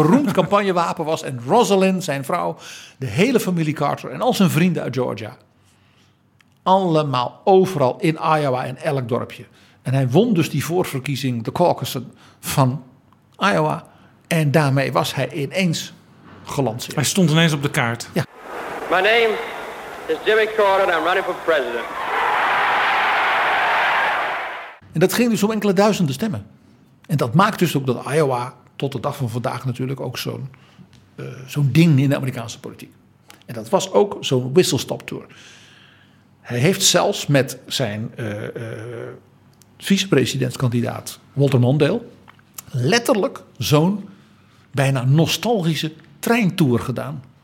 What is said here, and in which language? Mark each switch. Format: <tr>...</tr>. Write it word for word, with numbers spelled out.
<nl>beroemd campagnewapen was, en Rosalind, zijn vrouw, de hele familie Carter en al zijn vrienden uit Georgia. Allemaal overal in Iowa en elk dorpje. En hij won dus die voorverkiezing, de caucussen van Iowa. En daarmee was hij ineens gelanceerd. Hij stond ineens op de kaart. Ja.</nl> <en>My name is Jimmy Carter and I'm running for president.</en> <nl>En dat ging dus om enkele duizenden stemmen. En dat maakt dus ook dat Iowa tot de dag van vandaag natuurlijk ook zo'n, uh, zo'n ding in de Amerikaanse politiek. En dat was ook zo'n whistle-stop tour. Hij heeft zelfs met zijn uh, uh, vicepresidentskandidaat Walter Mondale letterlijk zo'n bijna nostalgische treintour gedaan.</nl>